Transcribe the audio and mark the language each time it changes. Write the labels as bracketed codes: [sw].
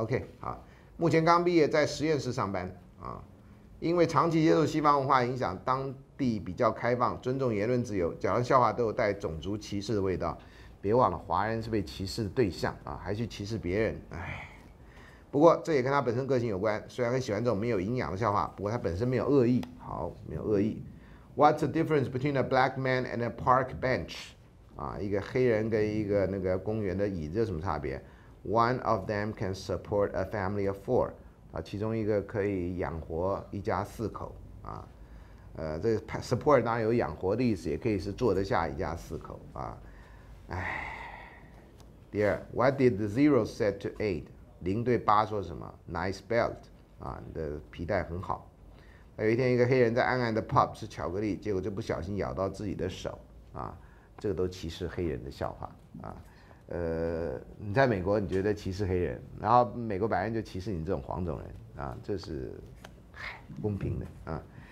[zh] OK，好，目前刚毕业，在实验室上班啊，因为长期接受西方文化影响，当地比较开放，尊重言论自由，讲的笑话都有带种族歧视的味道。别忘了，华人是被歧视的对象啊，还去歧视别人，哎。不过这也跟他本身个性有关，虽然很喜欢这种没有营养的笑话，不过他本身没有恶意。好，没有恶意。 [en] What's the difference between a black man and a park bench？ [zh] 啊，一个黑人跟一个那个公园的椅子有什么差别？ [en] One of them can support a family of four。 [zh] 啊，其中一个可以养活一家四口啊。这个 support 当然有养活的意思，也可以是坐得下一家四口啊。 [en] 哎，第二，What did the zero say to eight？ [zh] 零对八说什么？ [en] Nice belt， [zh] 啊，你的皮带很好。那有一天，一个黑人在暗暗的 pub 吃巧克力，结果就不小心咬到自己的手啊。这个都歧视黑人的笑话啊。你在美国你觉得歧视黑人，然后美国白人就歧视你这种黄种人啊，这是公平的啊。